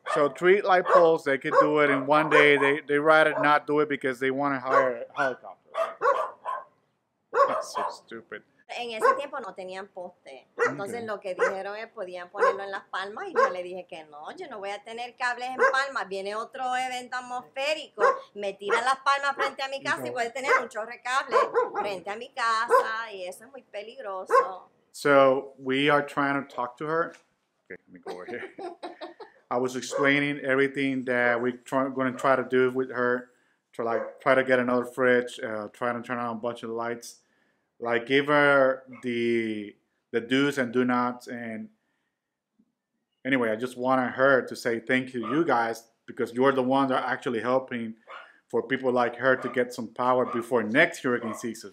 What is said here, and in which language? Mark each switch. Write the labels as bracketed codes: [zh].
[en] So three light poles, they could do it in one day. They rather not do it because they want to hire a helicopter. That's so stupid. [es] En ese tiempo no tenían poste. Entonces lo que dijeron es podían ponerlo en las palmas y yo le dije que no, yo no voy a tener cables en palmas. Viene otro evento atmosférico, me tiran las palmas frente a mi casa y puede tener un chorro de cables frente a mi casa y eso es muy peligroso. [en] So we are trying to talk to her. Okay, let me go over here. I was explaining everything that we're going to try to do with her to like try to get another fridge, try to turn on a bunch of lights. Like give her the do's and do nots. And anyway, I just wanted her to say thank you to you guys because you're the ones that are actually helping for people like her to get some power before next hurricane season.